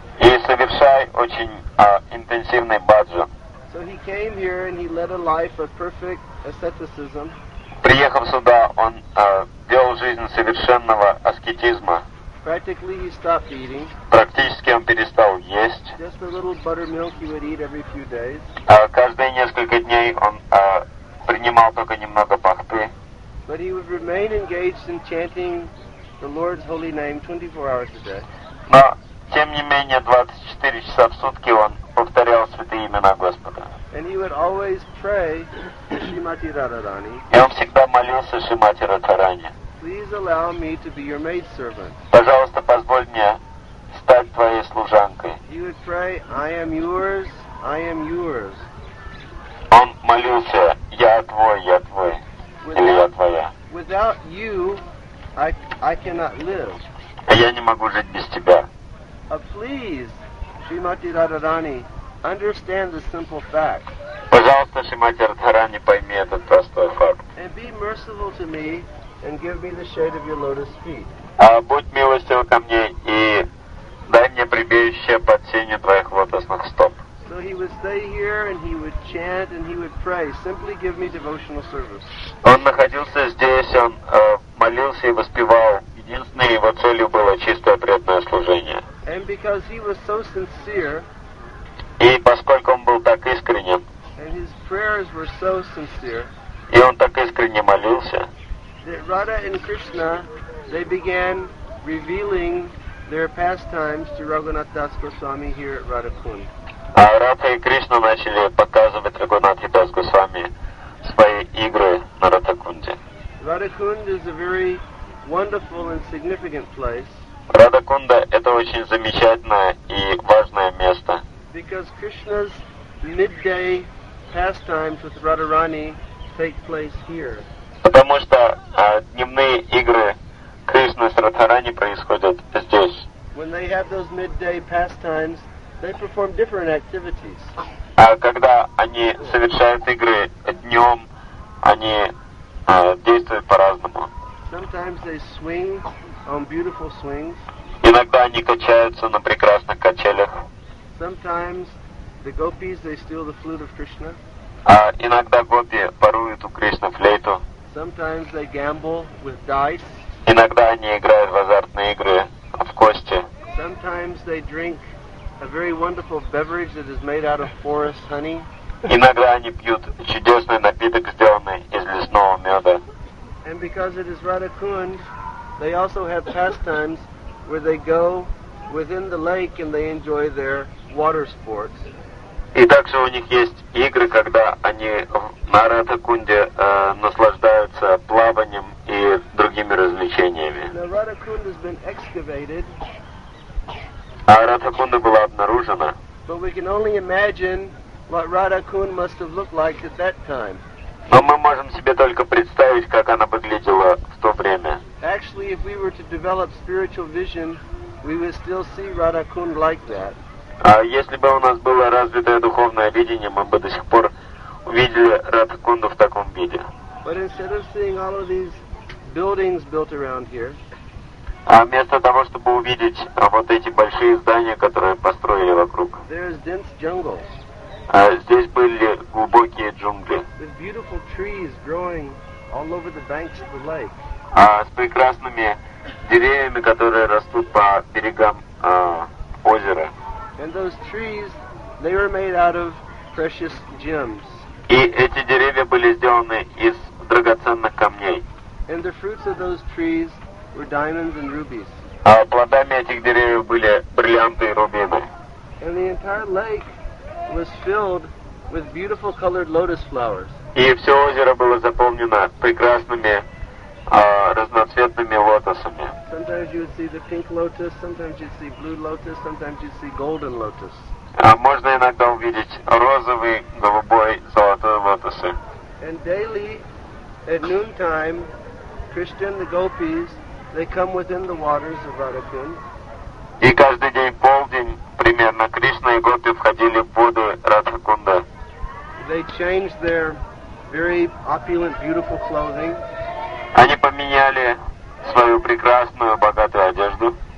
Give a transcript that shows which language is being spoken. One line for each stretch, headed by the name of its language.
Russian: И совершай очень интенсивный бхаджан.
English: So he came here and he led a life of perfect asceticism.
Russian: Приехав сюда, он вел жизнь совершенного аскетизма.
English: Practically he stopped eating.
Russian: Практически он перестал есть.
English: Just a little buttermilk he would eat every few days.
Russian: Каждые несколько дней он принимал только немного бахты.
English: But he would remain engaged in chanting the Lord's holy name 24 hours a day.
Russian: Но тем не менее 24 часа в сутки он повторял святые имена Господа.
English: And he would always pray to Shrimati Radharani.
Russian: И он всегда молился Шримати Радхарани.
English: Please allow me to be your maid servant.
Russian: Пожалуйста, позволь мне стать твоей служанкой.
English: He would pray, I am yours, I am yours.
Russian: Он молился, я твой, я твой, или я твоя.
English: Without you, I cannot live.
Russian: Я не могу жить без тебя.
English: Please, Shrimati Radharani, understand the simple fact.
Russian: Пожалуйста, Шримати Радхарани, пойми этот простой факт.
English: And be merciful to me. And give me the shade of your lotus feet.
Russian: Будь милостив ко мне и дай мне прибежище под сенью твоих лотосных стоп.
English: So he would stay here and he would chant and he would pray. Simply give me devotional service.
Russian: Он находился здесь, он молился и воспевал. Единственной его целью было чистое преданное служение.
English: And because he was so sincere.
Russian: И поскольку он был так искренен.
English: And his prayers were so sincere.
Russian: И он так искренне молился.
English: That Radha and Krishna, they began revealing There are pastimes to Raghunath Das Goswami here at Radhakund.
Russian: А Радха и Кришна начали показывать Рагунати Дас Госвами свои игры на Радхакунде.
English: Радхакунда is a very wonderful and significant place.
Russian: Радхакунда это очень замечательное и важное место.
English: Because Krishna's midday pastimes with Radharani take place here.
Russian: Потому что дневные игры Кришны с Радхарани происходят здесь.
English: When they have those midday pastimes, they perform different activities.
Russian: А когда они совершают игры днем, они действуют по-разному.
English: Sometimes they swing on beautiful swings.
Russian: Иногда они качаются на прекрасных качелях.
English: Sometimes the gopis they steal the flute of Krishna.
Russian: А иногда гопи воруют у Кришны флейту.
English: Sometimes they gamble with dice.
Russian: Иногда они играют в азартные игры в кости.
English: Sometimes they drink a very wonderful beverage that is made out of forest honey.
Russian: Иногда они пьют чудесный напиток, сделанный из лесного меда.
English: And because it is Radhakund, they also have pastimes where they go within the lake and they enjoy their water sports.
Russian: И также у них есть игры, когда они на Радхакунде наслаждаются плаванием и другими развлечениями.
English: Now, Radhakunda has been excavated.
Russian: А Радхакунда была обнаружена.
English: But we can only imagine what Radhakunda must have looked like at that time.
Russian: Но мы можем себе только представить, как она выглядела в то время.
English: Actually, if we were to develop spiritual vision, we would still see Radhakunda like that.
Russian: А если бы у нас было развитое духовное видение, мы бы до сих пор увидели Радхакунду в таком виде.
English: But instead of seeing all of these buildings built around here.
Russian: А вместо того, чтобы увидеть вот эти большие здания, которые построили вокруг.
English: There is dense jungles.
Russian: А здесь были глубокие джунгли.
English: With beautiful trees growing all over the banks of the lake.
Russian: А с прекрасными деревьями, которые растут по берегам озера.
English: And those trees, they were made out of precious gems.
Russian: И эти деревья были сделаны из драгоценных камней.
English: And the fruits of those trees were diamonds and rubies.
Russian: А плодами этих деревьев были бриллианты и рубины.
English: And the entire lake was filled with beautiful colored lotus flowers.
Russian: И все озеро было заполнено прекрасными разноцветными лотосами.
English: Sometimes you would see the pink lotus, sometimes you'd see blue lotus, sometimes you'd see golden lotus.
Russian: А можно иногда увидеть розовый, голубой, золотой лотосы.
English: And daily at noontime, Krishna and the gopis, they come within the waters of Radhakund.
Russian: И каждый день, полдень, примерно, Кришна и гопи входили в воды Радхакунда.
English: They change their very opulent, beautiful clothing.
Russian: Они поменяли свою прекрасную, богатую одежду.